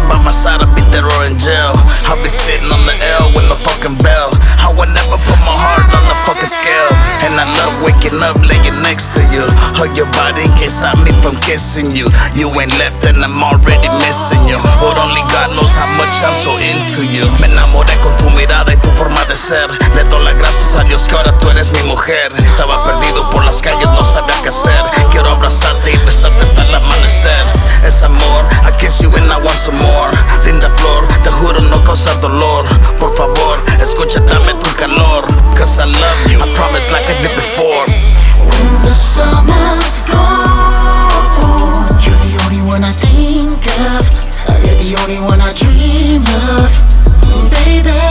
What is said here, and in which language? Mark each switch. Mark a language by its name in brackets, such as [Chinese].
[English] my side, I'll be dead or in jail. I'll be sitting on the L with no fucking bell. I would never put my heart on the fucking scale. And I love waking up, laying next to you. Hug your body, can't stop me from kissing you. You ain't left and I'm already missing you. But only God knows how much I'm so into you. [Spanish] Me enamoré con tu mirada y tu forma de ser. Le doy las gracias a Dios que ahora tú eres mi mujer. Estaba perdido por las calles, no sabía qué hacer. Quiero abrazarte y besarte hasta el amanecer. Es amor, [English] I kiss you and I want some more. [Spanish] Linda flor, te juro no causar dolor. Por favor, escucha, dame tu calor. [English] Cause I love you, I promise like I did before. When the summer's gone, you're the only one I think of. You're the only one I dream of, baby.